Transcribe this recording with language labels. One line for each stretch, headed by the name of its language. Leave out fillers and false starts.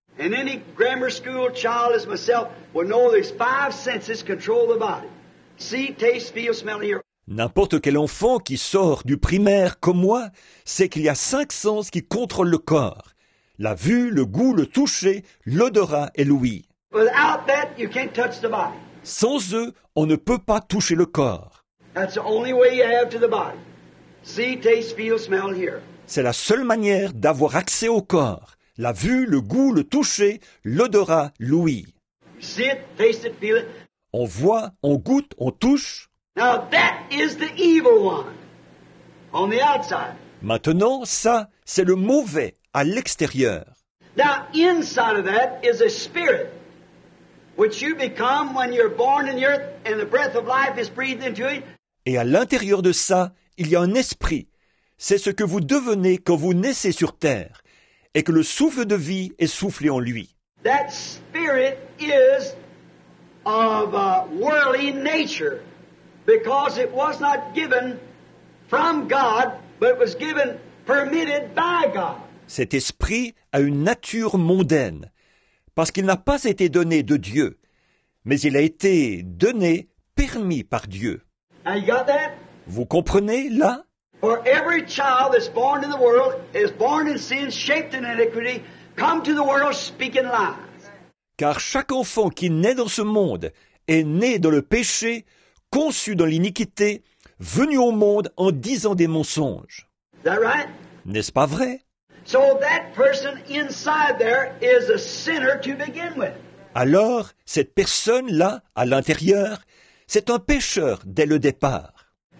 English: And any grammar school child as myself will know there's five senses control the body. See, taste, feel, smell, hear.
French: N'importe quel enfant qui sort du primaire comme moi sait qu'il y a cinq sens qui contrôlent le corps. La vue, le goût, le toucher, l'odorat et l'ouïe.
English: Without that, you can't touch the body.
French: Sans eux, on ne peut pas toucher le corps.
English: That's the only way you have to the body. See, taste, feel, smell, hear.
French: C'est la seule manière d'avoir accès au corps. La vue, le goût, le toucher, l'odorat, l'ouïe.
English: See it, taste it, feel it.
French: On voit, on goûte, on touche.
English: Now that is the evil one. On the outside.
French: Maintenant, ça, c'est le mauvais. À l'extérieur.
English: Now, inside of that is a spirit, which you become when you're born in the earth, and the breath of life is breathed into it.
French: Et à l'intérieur de ça, il y a un esprit. C'est ce que vous devenez quand vous naissez sur terre, et que le souffle de vie est soufflé en lui.
English: That spirit is of a worldly nature, because it was not given from God, but it was given permitted by God.
French: Cet esprit a une nature mondaine, parce qu'il n'a pas été donné de Dieu, mais il a été donné, permis par Dieu.
English: Now you got that?
French: Vous comprenez, là?
English: For every child that's born in the world is born in sin, shaped in iniquity, come to the world speaking lies.
French: Car chaque enfant qui naît dans ce monde est né dans le péché, conçu dans l'iniquité, venu au monde en disant des mensonges.
English: Is that right?
French: N'est-ce pas vrai?
English: So that person inside there is a sinner to begin with.
French: Alors, cette personne là à l'intérieur, c'est un pécheur dès le départ.